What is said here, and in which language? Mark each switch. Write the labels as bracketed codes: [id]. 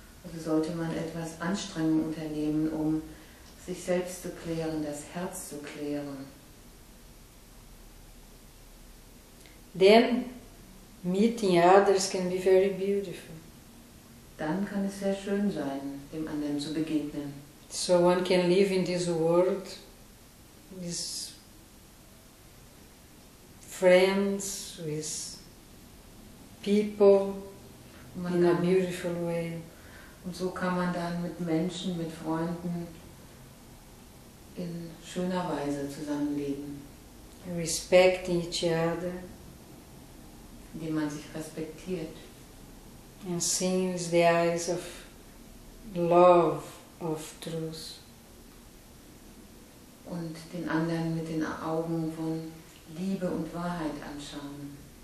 [de] Also sollte man etwas Anstrengung unternehmen, um sich selbst zu klären, das Herz zu klären. [en] Then meeting others can be very beautiful. [de] Dann kann es sehr schön sein, dem anderen zu begegnen. [en] So one can live in this world, this friends, with people, in a beautiful way. [de] Und so kann man dann mit Menschen, mit Freunden in schöner Weise zusammenleben. [en] Respecting each other. [de] Indem man sich respektiert. [en] And seeing with the eyes of love, of truth. [de] Und den anderen mit den Augen von Liebe und Wahrheit anschauen.